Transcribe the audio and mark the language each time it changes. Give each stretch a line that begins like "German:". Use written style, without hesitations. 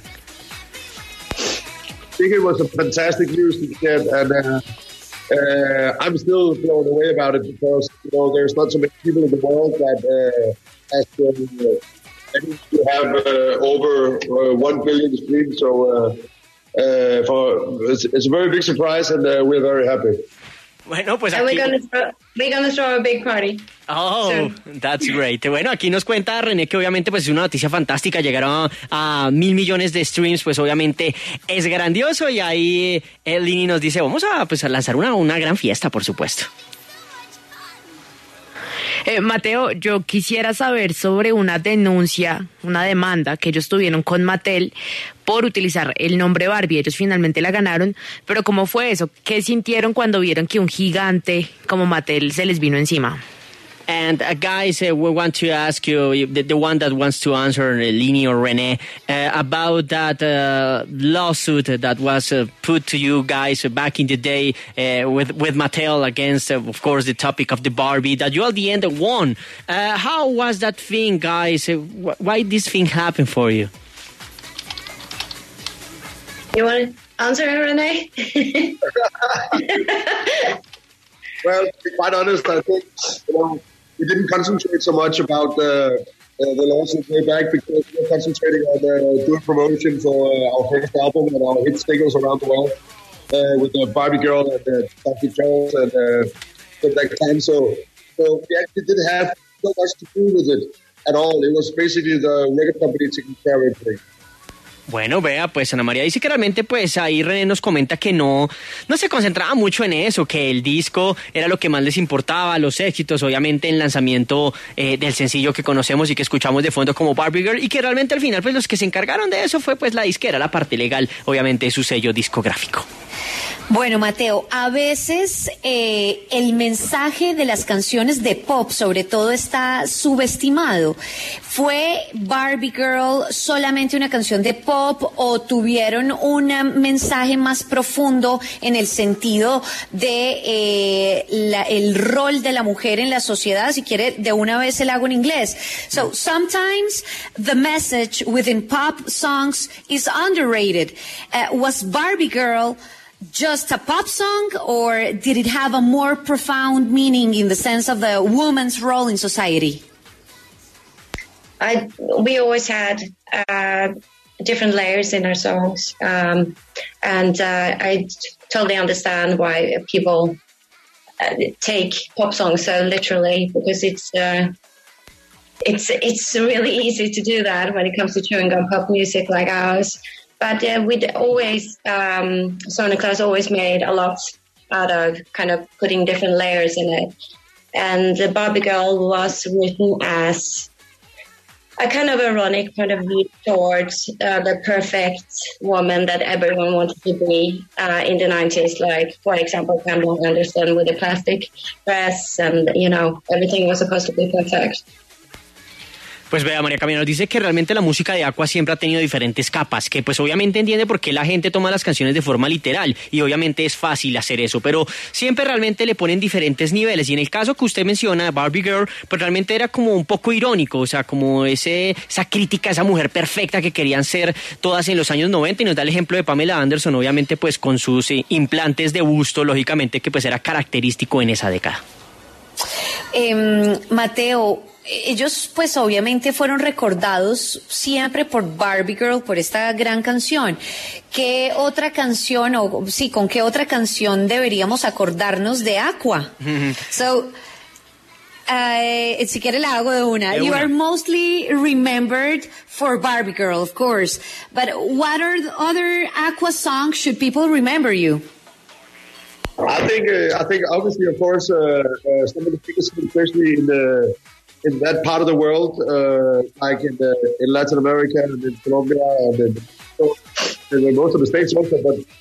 English: I think it was a fantastic news to get, and I'm still blown away about it because, you know, there's not so many people in the world that has been to have over 1 billion streams, so it's a very big surprise, and we're very happy.
Spanish: Bueno, pues aquí...
English: We're gonna throw a big party. Oh, soon. That's great.
Spanish: Bueno, aquí nos cuenta René que obviamente pues es una noticia fantástica. Llegaron a 1,000,000,000 de streams, pues obviamente es grandioso. Y ahí Lini nos dice, vamos a, pues, a lanzar una gran fiesta, por supuesto. Mateo, yo quisiera saber sobre una denuncia, una demanda que ellos tuvieron con Mattel por utilizar el nombre Barbie. Ellos finalmente la ganaron, pero ¿cómo fue eso? ¿Qué sintieron cuando vieron que un gigante como Mattel se les vino encima?
English: And guys, we want to ask you, the one that wants to answer, Lini or René, about that lawsuit that was put to you guys back in the day with Mattel against, of course, the topic of the Barbie that you at the end won. How was that thing, guys? Why did this thing happen for you? You want to answer it, René? Well, to be quite honest, I think... You know, we didn't concentrate so much about the lawsuit way back because we were concentrating on doing promotion for our first album and our hit singles around the world with the Barbie Girl and Dr. Jones and that time. So we actually didn't have so much to do with it at all. It was basically the record company taking care of everything.
Spanish: Bueno, vea, pues Ana María dice que realmente pues ahí René nos comenta que no se concentraba mucho en eso, que el disco era lo que más les importaba, los éxitos, obviamente el lanzamiento del sencillo que conocemos y que escuchamos de fondo como Barbie Girl, y que realmente al final pues los que se encargaron de eso fue pues la disquera, la parte legal, obviamente su sello discográfico. Bueno, Mateo, a veces el mensaje de las canciones de pop, sobre todo, está subestimado. ¿Fue Barbie Girl solamente una canción de pop o tuvieron un mensaje más profundo en el sentido de el rol de la mujer en la sociedad? Si quiere, de una vez se la hago en inglés.
English: So, sometimes the message within pop songs is underrated. Was Barbie Girl just a pop song, or did it have a more profound meaning in the sense of the woman's role in society? We always had different layers in our songs, I totally understand why people take pop songs so literally, because it's really easy to do that when it comes to chewing gum pop music like ours. But we'd always, Sonic Class always made a lot out of kind of putting different layers in it. And the Barbie Girl was written as a kind of ironic kind of view towards the perfect woman that everyone wanted to be in the 90s. Like, for example, Pamela Anderson with a plastic dress and, you know, everything was supposed to be perfect.
Spanish: Pues vea, María Camila nos dice que realmente la música de Aqua siempre ha tenido diferentes capas, que pues obviamente entiende por qué la gente toma las canciones de forma literal, y obviamente es fácil hacer eso, pero siempre realmente le ponen diferentes niveles, y en el caso que usted menciona, Barbie Girl, pues realmente era como un poco irónico, o sea, como esa crítica a esa mujer perfecta que querían ser todas en los años 90, y nos da el ejemplo de Pamela Anderson, obviamente pues con sus implantes de busto, lógicamente que pues era característico en esa década. Mateo, ellos pues obviamente fueron recordados siempre por Barbie Girl, por esta gran canción. ¿Qué otra canción con qué otra canción deberíamos acordarnos de Aqua? So, si quiere la hago de una.
English: You are mostly remembered for Barbie Girl, of course. But what are the other Aqua songs should people remember you? I think obviously, of course, some of the biggest, especially in that part of the world, like in Latin America and in Colombia and in most of the states also, but